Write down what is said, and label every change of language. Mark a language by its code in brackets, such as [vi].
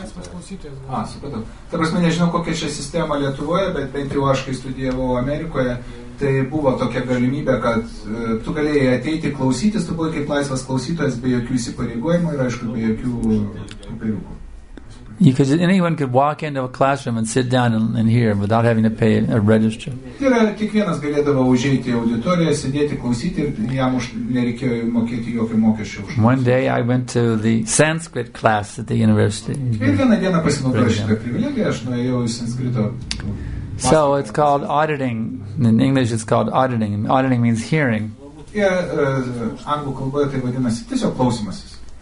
[lt] Ta prasme, nežinau, kokia čia sistema Lietuvoje, bet bent jau aš, kai studijavau Amerikoje, tai buvo tokia galimybė, kad tu galėjai ateiti klausytis, tu buvai kaip laisvas klausytojas, be jokių įsipareigojimų ir, aišku, be jokių papiriukų. [en] Because anyone could walk into a classroom and sit down and hear without having to pay a register. [lt] Yra, kiekvienas galėdavo užeiti į auditoriją, sėdėti, klausyti ir jam nereikėjo mokėti jokio mokesčio. [en] One day I went to the Sanskrit class at the university. [lt] Vieną dieną pasinaudojau šitą privilegiją, aš nuėjau į sanskrito. [en] So it's called auditing. In English it's called auditing. Auditing means hearing. [lt] Anglų kalboje tai vadinasi tiesiog klausymasis.